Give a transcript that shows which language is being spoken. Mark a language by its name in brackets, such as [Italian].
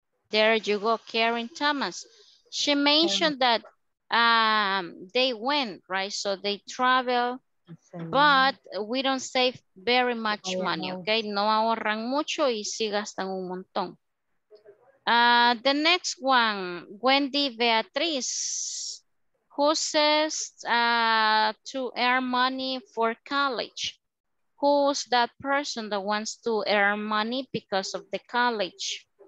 [English] There you go, Karen Thomas. She mentioned that they went, right? So they travel, but we don't save very much money, okay? [Spanish] No ahorran mucho y sí gastan un montón. [English] The next one, Wendy Beatriz, who says to earn money for college? Who's that person that wants to earn money because of the college?